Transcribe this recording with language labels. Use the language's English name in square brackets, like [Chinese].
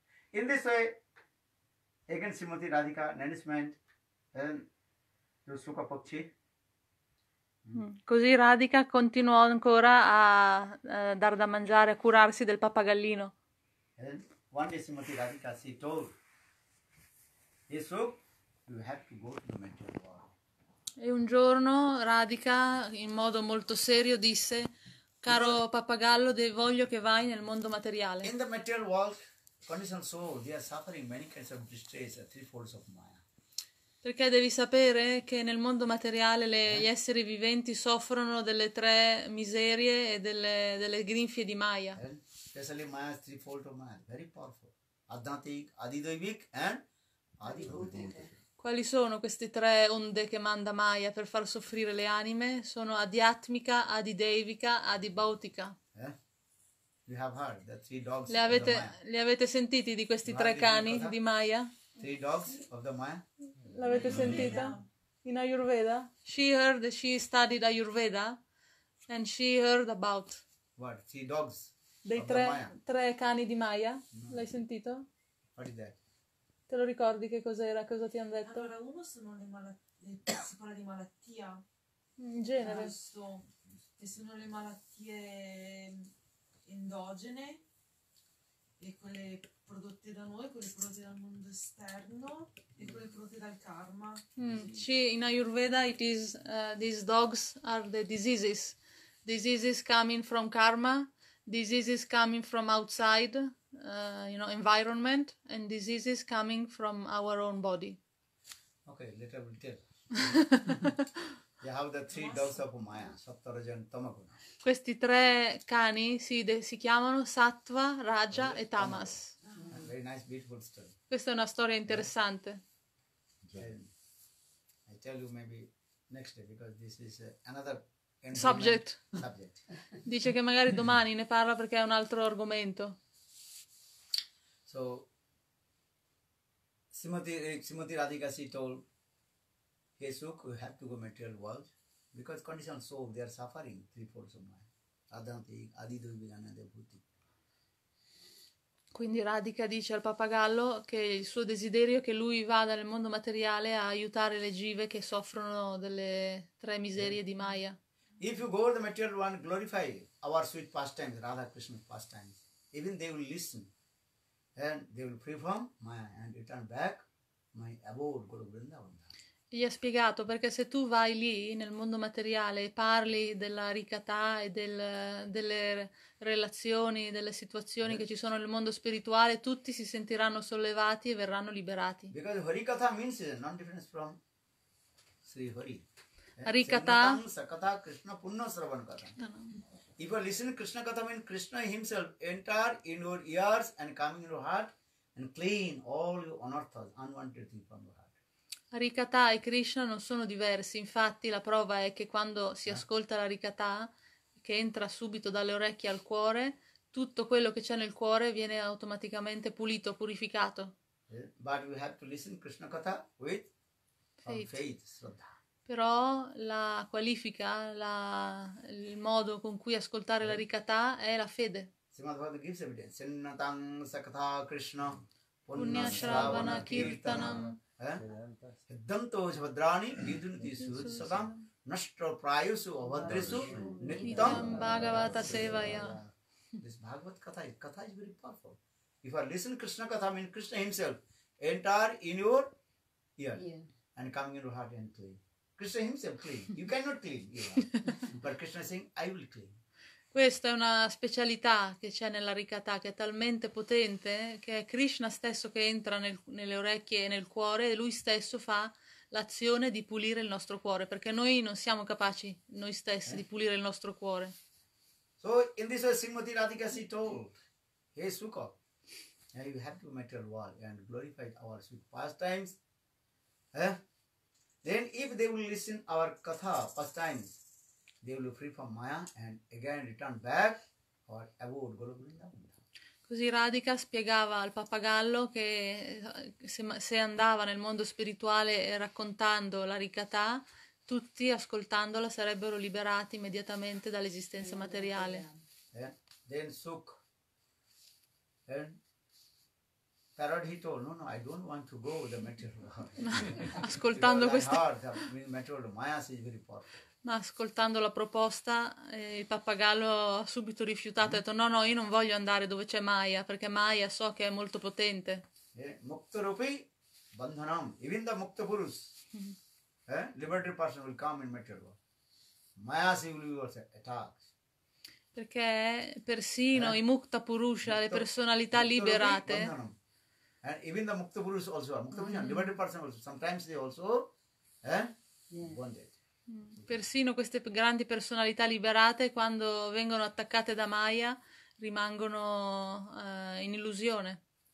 [English] In this way, again Srimati Radhika, announcement, to Sukha Pakshi. [Italian] Così Radhika continuò ancora a dar da mangiare, a curarsi del pappagallino. [English] One day Srimati Radhika, she told, yes, so you have to go to the material world. [Italian] E un giorno Radhika, in modo molto serio, disse, caro pappagallo, voglio che vai nel mondo materiale. [English] In the material world, conditioned soul, they are suffering many kinds of distress, threefolds of Maya. [Italian] Perché devi sapere che nel mondo materiale gli esseri viventi soffrono delle tre miserie e delle grinfie di Maya. [English] Specially Maya, threefold of Maya, very powerful. Adnatic, Adidoivik and Adibhutik. [Italian] Quali sono queste tre onde che manda Maya per far soffrire le anime? Sono Adiatmica, Adidevica, Adibautica. [English] You have heard the three dogs. [Italian] Li avete sentiti di questi tre cani di Maya? [English] Three dogs of the Maya? [Italian] L'avete sentita in Ayurveda? [English] She heard, she studied Ayurveda and she heard about what? Three dogs [Italian] dei [English] of [Italian] tre, [English] the Maya. [Italian] Tre cani di Maya? No. L'hai sentito? [English] What is that? [Italian] Te lo ricordi che cos'era? Cosa ti hanno detto? Allora, uno sono si parla di malattia. In genere. E sono le malattie endogene e quelle prodotte da noi, quelle prodotte dal mondo esterno e quelle prodotte dal karma. [English] In Ayurveda it is these dogs are the diseases. Diseases coming from karma, diseases coming from outside, you know, environment, and diseases coming from our own body. Okay, later we'll tell. You have the three dogs of Maya, Sattva, Raja and Tamaguna. [Italian] Questi tre cani si chiamano Sattva, Raja e Tamas. [English] Very nice, beautiful story. [Italian] Questa è una storia interessante. [English] Yeah. I tell you maybe next day because this is another subject. [Italian] Dice che magari domani ne parla perché è un altro argomento. [English] So Srimati Radhika si told, hey Sukh, you have to go material world because conditioned soul, they are suffering threefold of Maya. [Sanskrit] Adhantik, Adidoivik, Anadibhutik. [Italian] Quindi Radhika dice al pappagallo che il suo desiderio è che lui vada nel mondo materiale a aiutare le jive che soffrono delle tre miserie di Maya. [English] If you go to the material world, glorify our sweet pastimes, Radha Krishna's pastimes, even they will listen. And they will perform Maya and return back my abode Guru Vrindavan. [Italian] Gli ha spiegato perché se tu vai lì nel mondo materiale e parli della ricatà e delle relazioni, delle situazioni che ci sono nel mondo spirituale, tutti si sentiranno sollevati e verranno liberati. [English] Because harikatha means non difference from Sri Hari. Harikatha. [Sanskrit] Sakatha Krishna Punna Sravan Katha. [English] If you listen to Krishna Katha, means Krishna himself enter in your ears and come in your heart and clean all your unorthodox, unwanted things from your heart. [Italian] Harikatha e Krishna non sono diversi, infatti la prova è che quando si ascolta la Harikatha, che entra subito dalle orecchie al cuore, tutto quello che c'è nel cuore viene automaticamente pulito, purificato. [English] But we have to listen to Krishna Katha with faith, Shraddha. [Italian] Però la qualifica, il modo con cui ascoltare la Harikatha è la fede. [English] Srimad-Bhagavatam gives evidence. [Sanskrit] Sennatam sakatha krishna punya shravana kirtanam Hiddanto shabhadrani yidunati suhut satam nashto prayusu avadrisu nittam bhagavata sevaya. [English] This Bhagavata katha, katha is very powerful. If you listen Krishna katha, I mean Krishna himself, enter in your ear and coming into heart and clean. Krishna himself clean. You cannot clean your heart. But Krishna is saying, I will clean. [Italian] Questa è una specialità che c'è nella Rikatha, che è talmente potente che è Krishna stesso che entra nelle orecchie e nel cuore e lui stesso fa l'azione di pulire il nostro cuore, perché noi non siamo capaci noi stessi di pulire il nostro cuore. [English] So in this way Srimati Radhika she told, hey Sukha, you have to make a wall and glorify our sweet pastimes. Eh? Then if they will listen our katha pastimes, they will be free from maya and again return back or abode Guru Vrindavan. [Italian] Così Radhika spiegava al pappagallo che se andava nel mondo spirituale raccontando la Rikatha, tutti ascoltandola sarebbero liberati immediatamente dall'esistenza materiale. [English] Then Sukh, then Tarad he told, no, I don't want to go with the material world. [Italian] Ascoltando questa... [English] material maya is very powerful. [Italian] Ma ascoltando la proposta, il pappagallo ha subito rifiutato, ha detto no, io non voglio andare dove c'è Maya, perché Maya so che è molto potente. [English] Mukta rupi bandhanam, even the mukta purus, liberated person will come in material world. Maya si will be attacked. [Italian] Perché persino i mukta purusha, le personalità liberate, [English] and even the mukta purus also, mukta purusha, liberated person also, sometimes they also, bonded. [Italian] Persino queste grandi personalità liberate, quando vengono attaccate da Maya, rimangono in illusione.